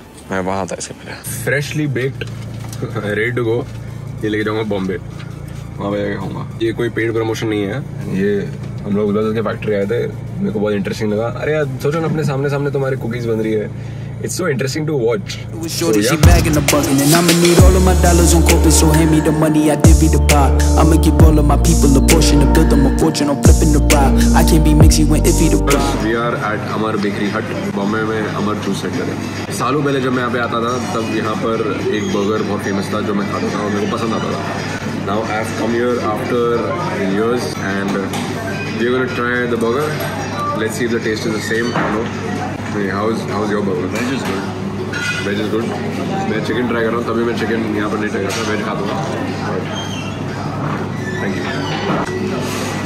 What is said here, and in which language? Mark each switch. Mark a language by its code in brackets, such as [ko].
[hi] मैं वहां था इससे पहले। [en] freshly baked bread to go [hi] ये लेके जाऊंगा बॉम्बे, वहां पे जाके खाऊंगा। ये कोई पेड प्रमोशन नहीं है, ये हम लोग उधर के फैक्ट्री आए थे, मेरे को बहुत इंटरेस्टिंग लगा। अरे यार सोचो ना, अपने सामने सामने तुम्हारी कुकीज बन रही है, [en] it's so interesting to watch. She bagging the bugging and I'ma need all of my dollars on corporate, so hand me the money, I divvy the pie. I'ma keep all of my people a portion to build them a fortune, I'm flipping the pie. I can't be mixing when iffy the pie. We are at Amar Bakery Hut, Bombay में Amar Juice Center है। [hi] सालों पहले जब मैं यहाँ पे आता था तब यहाँ पर एक burger बहुत famous था जो मैं खाता था और मेरे को पसंद आता था। [en] Now I've come here after years and we're gonna try the burger. Let's see if the taste is the same. No. How's your burger? Veg is good. Veg is good. [hi] मैं chicken try कर रहा हूँ, तभी मैं chicken यहाँ पर नहीं try करता, veg खा दूँगा। [en] Thank you.